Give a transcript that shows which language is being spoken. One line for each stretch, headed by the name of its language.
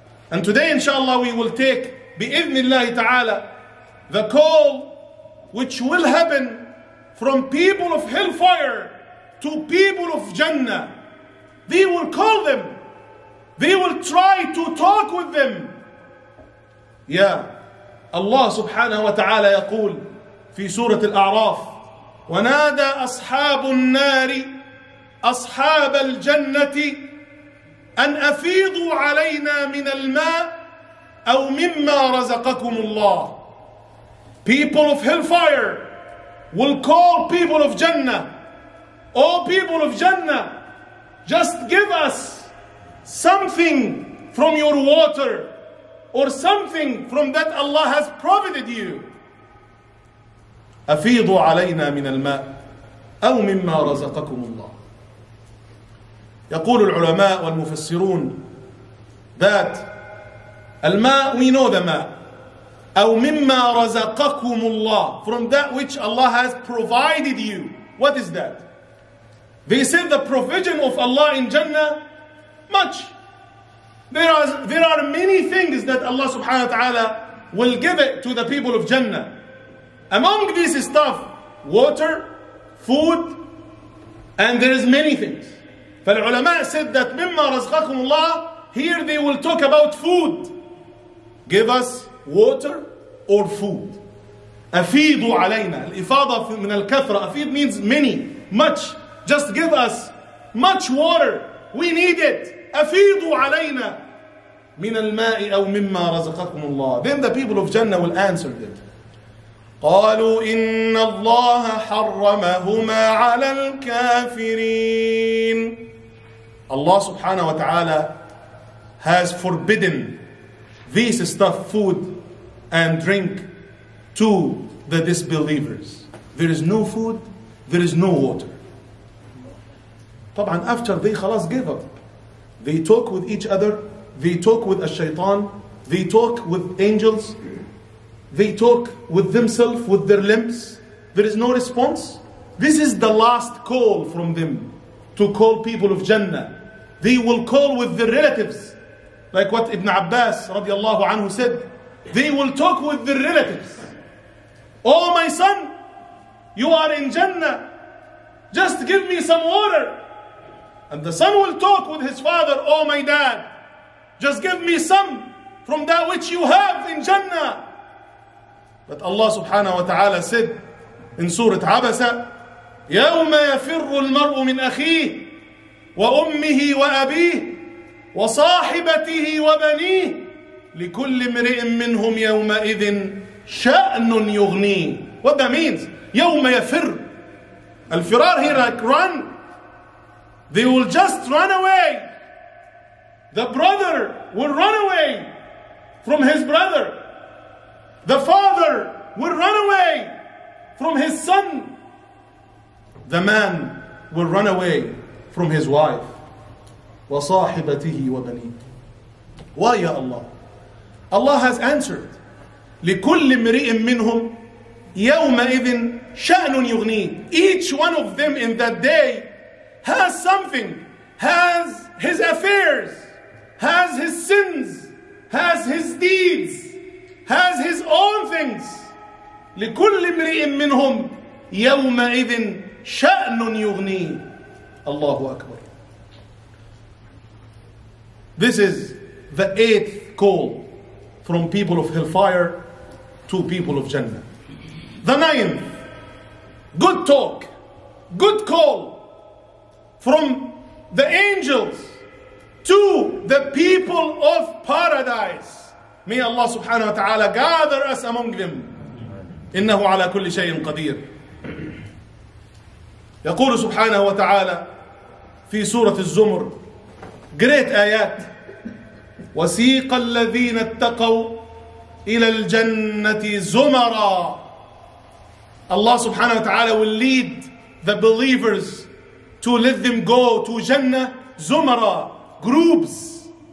English: And today, inshallah, we will take, bi-idhnillahi ta'ala, the call which will happen from people of hellfire to people of Jannah. They will call them. They will try to talk with them. Yeah.
Arabic: Allah subhanahu wa ta'ala yaqul في سورة الأعراف: ونادى أصحاب النار أصحاب الجنة أن أفيضوا علينا من الماء أو مما رزقكم الله.
English: People of hellfire will call people of Jannah. Oh people of Jannah, just give us something from your water or something from that Allah has provided you.
Arabic: أفيضوا علينا من الماء أو مما رزقكم الله.
English: يقول العلماء والمفسرون that الماء, we know the ماء, أو مما رزقكم الله, from that which Allah has provided you. What is that? They said the provision of Allah in Jannah, much. There are many things that Allah subhanahu wa ta'ala will give it to the people of Jannah. Among this stuff, water, food, And there is many things. فالعلماء said that مما رزقكم الله, here they will talk about food. Give us water or food. أفيدوا علينا.
Arabic: الإفاضة من الكثرة.
English: أفيد means many, much. Just give us much water. We need it.
Arabic: أفيدوا علينا من الماء أو مما رزقكم الله.
English: Then the people of Jannah will answer them.
Arabic: قالوا إن الله حرمهما على الكافرين.
English: Allah subhanahu wa ta'ala has forbidden this stuff, food and drink, to the disbelievers. There is no food, there is no water. طبعاً after they خلاص give up. They talk with each other, they talk with الشيطان, they talk with angels, they talk with themselves, with their limbs. There is no response. This is the last call from them to call people of Jannah. They will call with their relatives. Like what Ibn Abbas radiallahu anhu said. They will talk with their relatives. Oh my son, you are in Jannah. Just give me some water. And the son will talk with his father. Oh my dad, just give me some from that which you have in Jannah.
Arabic: But Allah subhanahu wa ta'ala said in Surah Abasa, يَوْمَ يَفِرُّ الْمَرْءُ مِنْ أَخِيهِ وأمه وأبيه وصاحبته وبنيه لكل امرئ منهم يومئذ شأن يغنيه.
English: What that means? يوم يفر. الفرار here like run. They will just run away. The brother will run away from his brother. The father will run away from his son. The man will run away from his wife. وصاحبته وبنيه. Why, ya Allah? Allah has answered.
Arabic: لكل امرئ منهم يومئذ شأن يغني.
English: Each one of them in that day has something, has his affairs, has his sins, has his deeds, has his own things.
Arabic: لكل امرئ منهم يومئذ شأن يغني. Allahu Akbar.
English: This is the eighth call from people of hellfire to people of Jannah. The ninth, good talk, good call from the angels to the people of paradise. May Allah subhanahu wa ta'ala gather us among them.
Arabic: إنه على كل شيء قدير. يقول سبحانه وتعالى في سورة الزمر, great آيات, وسيق الذين اتقوا إلى الجنة زمرا.
English: Allah subhanahu wa ta'ala will lead the believers to let them go to Jannah زمرا, groups.